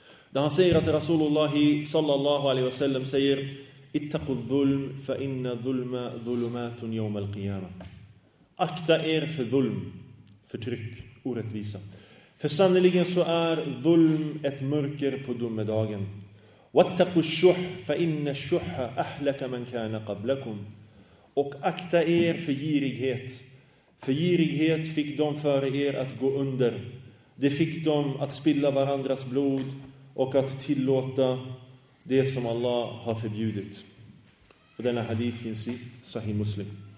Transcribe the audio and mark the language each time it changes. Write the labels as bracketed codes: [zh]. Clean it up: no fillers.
[sv] Där han säger att Rasulullah sallallahu alaihi wasallam säger, [ar] اتقوا الظلم فإن ظلم ظلمات يوم القيامة. [sv] Akta er för ظلم, förtryck, orättvisa. För sannoliken så är ظلم ett mörker på domedagen. [ar] واتقوا الشح فإن الشح أهلك من كان قبلكم. [sv] Och akta er för girighet. För girighet fick de före er att gå under. Det fick de att spilla varandras blod och att tillåta det som Allah har förbjudit. Och denna hadith finns i Sahih Muslim.